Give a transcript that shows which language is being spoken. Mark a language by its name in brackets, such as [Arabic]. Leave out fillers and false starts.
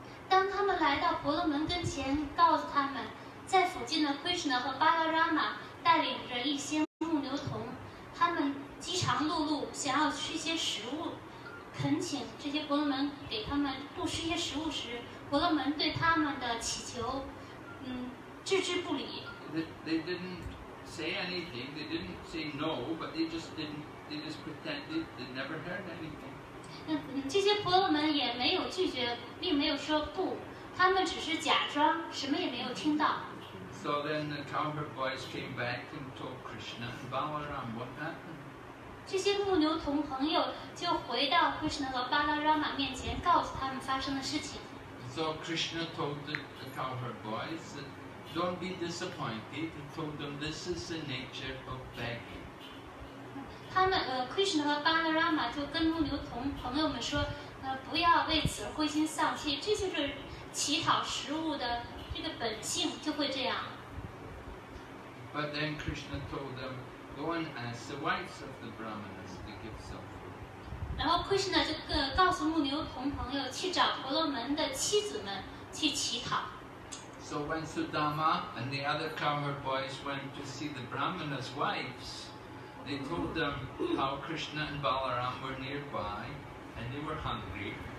[Chinese] 当他们来到婆罗门跟前，告诉他们。在附近的 Krishna 和 Balarama 带领着一些牧牛童，他们饥肠辘辘，想要吃些食物，恳请这些婆罗门给他们布施些食物时，婆罗门对他们的祈求，置之不理。 [English] They didn't say anything. They didn't say no, but they just didn't. They just pretended they never heard anything. [Chinese] 这些婆罗门也没有拒绝，并没有说不。他们只是假装什么也没有听到。 [English] So then the cowherd boys came back and told Krishna and Balaram what happened. [Chinese] 这些牧牛童朋友就回到 Krishna 和 Balarama 面前，告诉他们发生的事情。 [English] So Krishna told the cowherd boys, "Don't be disappointed." He told them, "This is the nature of begging." [Chinese] 他们Krishna 和 Balarama 就跟牧牛童朋友们说，不要为此灰心丧气，这就是。乞讨食物的这个本性就会这样。 [English] But then Krishna told them, "Go and ask the wives of the brahmanas to give some food." [Chinese] 然后 Krishna 就告诉牧牛童朋友去找婆罗门的妻子们去乞讨。 [English] So when Sudama and the other cowherd boys went to see the brahmanas' wives, they told them how Krishna and Balaram were nearby and they were hungry.